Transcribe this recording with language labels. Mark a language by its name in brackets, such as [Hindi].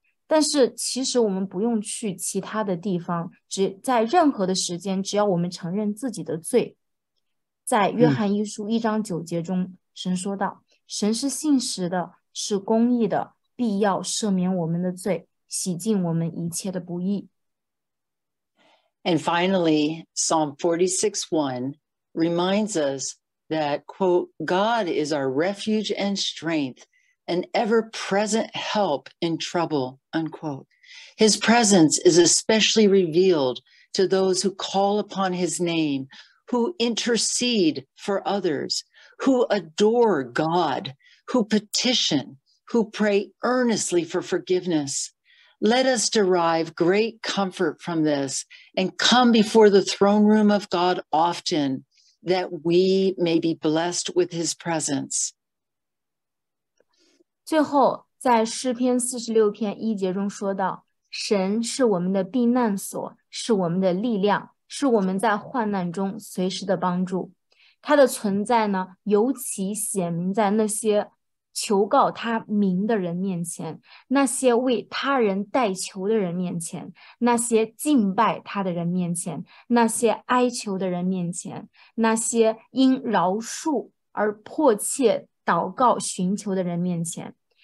[Chinese] 但是其实我们不用去其他的地方，只在任何的时间，只要我们承认自己的罪。在约翰一书1:9中，神说道，神是信实的，是公义的，必要赦免我们的罪，洗净我们一切的不义。 [English] And finally, Psalm 46:1 reminds us that, quote, God is our refuge and strength, an ever-present help in trouble, unquote. His presence is especially revealed to those who call upon his name, who intercede for others, who adore God, who petition, who pray earnestly for forgiveness. Let us derive great comfort from this and come before the throne room of God often, that we may be blessed with his presence. [Chinese] 最后，在诗篇46:1中说道，神是我们的避难所，是我们的力量，是我们在患难中随时的帮助。他的存在呢，尤其显明在那些求告他名的人面前，那些为他人代求的人面前，那些敬拜他的人面前，那些哀求的人面前，那些因饶恕而迫切祷告寻求的人面前，